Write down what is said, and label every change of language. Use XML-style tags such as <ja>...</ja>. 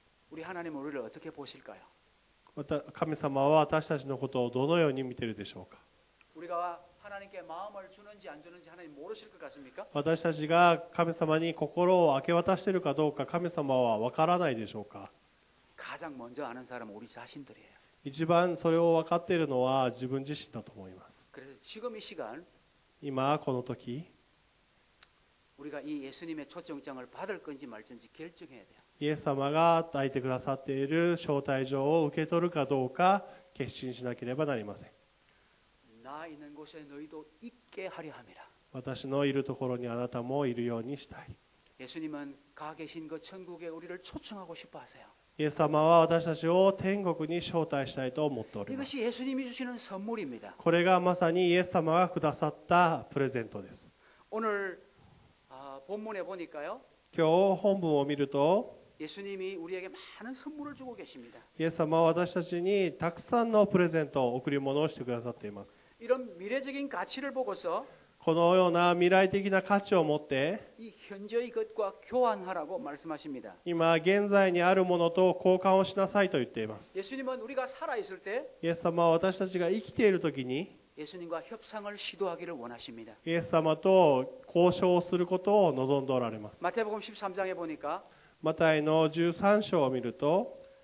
<ko>우리하나님은우리를어떻게보실까요</ko> <ja>神様は私たちのことをどのように見ているでしょうか</ja> <ko>우리가하나님께마음을주는지안주는지하나님모르실것같습니까</ko> <ja>私たちが神様に心を明け渡しているかどうか神様は分からないでしょうか</ja> <ko>가장먼저아는사람은우리자신들이에요</ko> <ja>一番それを分かっているのは自分自身だと思います</ja> <ko>그래서지금이시간</ko> <ja>今この時</ja> <ko>우리가이예수님의초청장을받을건지말건지결정해야돼요</ko> <ja>イエス様が与えてくださっている招待状を受け取るかどうか決心しなければなりません。</ja> <ko>나있는곳에너희도있게하려함이라。</ko> <ja>私のいるところにあなたもいるようにしたい。</ja> <ko>예수님은가계신그천국에우리를초청하고싶어하세요。</ko> <ja>イエス様は私たちを天国に招待したいと思っております。</ja> <ko>이것이예수님이주시는선물입니다。</ko> <ja>これがまさにイエス様がくださったプレゼントです。</ja> <ko>오늘본문에보니까요。</ko> <ja>今日本文を見ると。</ja> <ko>예수님이우리에게많은선물을주고계십니다</ko> <ja>イエス様は私たちにたくさんのプレゼント贈り物をしてくださっています</ja> <ko>이런미래적인가치를보고서</ko> <ja>このような未来的な価値を持って</ja> <ko>이현재의것과교환하라고말씀하십니다</ko> <ja>今現在にあるものと交換をしなさいと言っています</ja> <ko>예수님은우리가살아있을때</ko> <ja>イエス様は私たちが生きている時に</ja> <ko>예수님과협상을시도하기를원하십니다</ko> <ja>イエス様と交渉をすることを望んでおられます</ja> <ko>마태복음13장에보니까</ko> <ja>マタイの13章を見ると</ja>